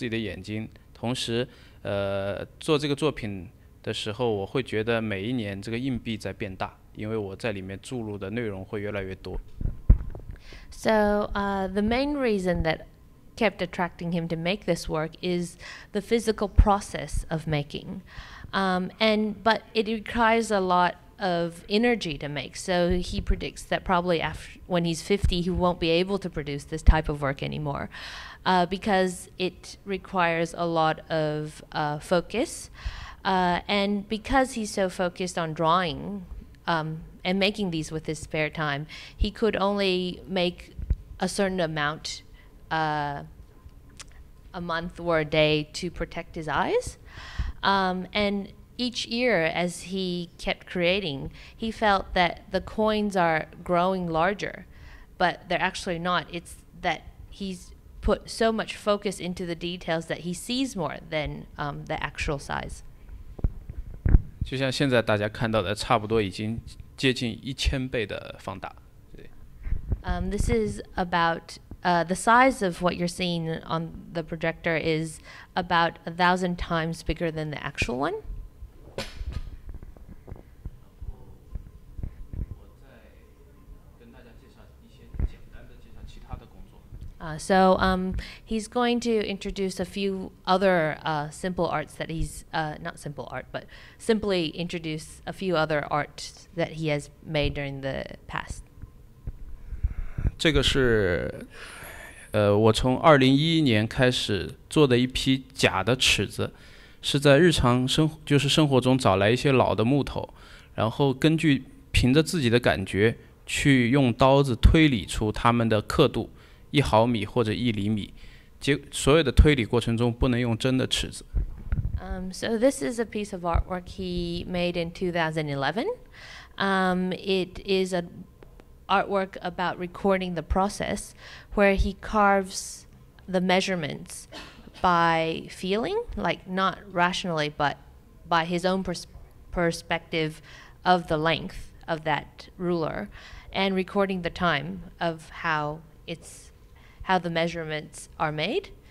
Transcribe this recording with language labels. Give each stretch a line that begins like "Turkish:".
Chinese: 所以我平时其实做很多其他的作品，但是这么多年来我一直用零碎的时间做这个系列，它吸引我的就是这个作品永远跟我的身体有关，从砸的过程中包括到画的整个过程都跟身体有关，而且可能我50岁以后没有办法画这个作品。在08年到现在的这几年里面，我每天不能画太多，我需要保护自己的眼睛，同时 做这个作品的时候，我会觉得每一年这个硬币在变大，因为我在里面注入的内容会越来越多。
English: So the main reason that kept attracting him to make this work is the physical process of making. But it requires a lot of energy to make. So he predicts that probably after when he's 50, he won't be able to produce this type of work anymore. Because it requires a lot of focus. And because he's so focused on drawing and making these with his spare time, he could only make a certain amount a month or a day to protect his eyes. And each year, as he kept creating, he felt that the coins are growing larger, but they're actually not. It's that he's put so much focus into the details that he sees more than the actual size.
Chinese: 就像现在大家看到的，差不多已经接近1000倍的放大。
English: This is about the size of what you're seeing on the projector is about 1,000 times bigger than the actual one.
Chinese: 我再跟大家介绍一些简单的介绍其他的工作。So
English: he's going to introduce a few other simple arts that he's not simple art, but simply introduce a few other arts that he has made during the past.
Chinese: 这个是我从2011年开始做的一批假的尺子。是在日常生活中找来一些老的木头，然后根据凭着自己的感觉去用刀子推理出它们的刻度，1毫米或者1厘米。所有的推理过程中不能用真的尺子。So
English: this is a piece of artwork he made in 2011. It is an artwork about recording the process where he carves the measurements by feeling, like not rationally, but by his own perspective of the length of that ruler, and recording the time of how the measurements are made.